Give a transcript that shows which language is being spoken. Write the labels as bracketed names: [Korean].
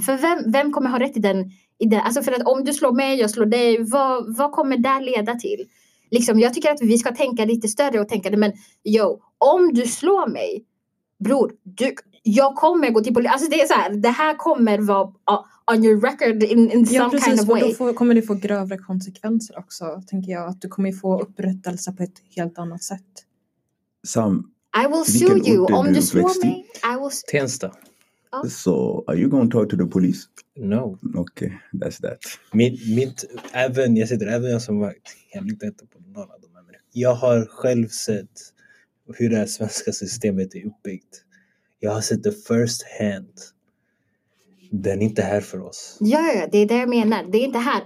[Swedish] För vem kommer ha rätt i den? I det? Alltså för att om du slår mig, jag slår dig. Vad kommer det leda till? Liksom, jag tycker att vi ska tänka lite större och tänka det. Men jo, om du slår mig, bror, jag kommer gå till polisen. Alltså det är så här, det här kommer vara... [English] on your record in some kind of way. [Swedish] Ja, precis. Då kommer du få grövre konsekvenser också, tänker jag. Att du kommer få upprättelse på ett helt annat sätt. Sam, [English] I will sue you. [Swedish] Om du slår mig, [English] I will sue you. [Swedish] Tensta. [English] So, are you going to talk to the police? No. Okay, that's that. [Swedish] Även jag som varit hemligt detta på några av de här. Jag har själv sett hur det svenska systemet är uppbyggt. Jag har sett det [English] first hand. [Swedish] Den är inte här för oss. Ja, det är det jag menar. Det är inte här.